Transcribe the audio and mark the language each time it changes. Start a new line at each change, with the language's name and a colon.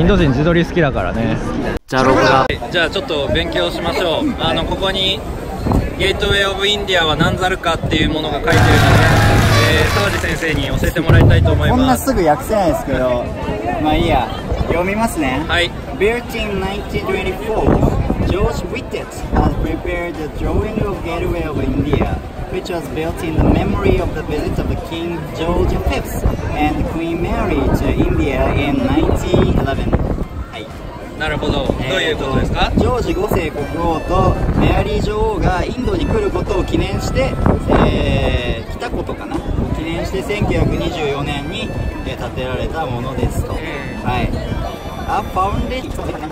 Japanese: インド人自撮り好きだからね。じゃあ録画。じゃあちょっと勉強しましょう。ここにゲートウェイオブインディアは何ざるかっていうものが書いてるので、川地先生に教えてもらいたいと思います。こんなすぐ訳せないですけど、まあいいや、読みますね。はい。
English: Built in 1924, George Whitted has prepared the drawing of Gateway of India, which was built in the memory of the visit of King George V and Queen Mary to India in 1911.
Japanese: なるほど、どういうことですか。ジョージ5世国王とメアリー女王がインドに来ることを記念して、来たことかな、記念して1924年に建てられたものですと。はい。アファウンデーション。